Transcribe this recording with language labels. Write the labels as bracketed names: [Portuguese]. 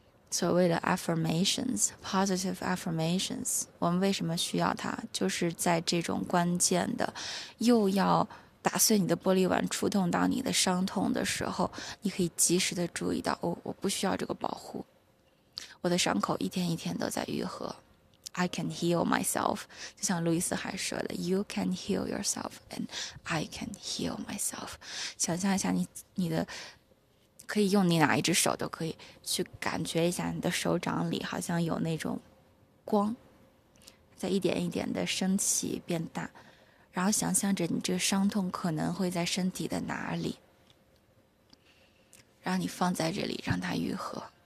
[Chinese] 所谓的 [English] affirmations, positive affirmations, [Chinese] 我们为什么需要它？就是在这种关键的，又要打碎你的玻璃碗，触痛到你的伤痛的时候，你可以及时的注意到，哦，我不需要这个保护，我的伤口一天一天都在愈合。 [English] I can heal myself, [Chinese] 就像路易斯还说的 [English] ,You can heal yourself and I can heal myself。 [Chinese] 想象一下你的，可以用你哪一只手都可以去感觉一下你的手掌里好像有那种光，在一点一点的升起变大，然后想象着你这个伤痛可能会在身体的哪里，然后你放在这里让它愈合。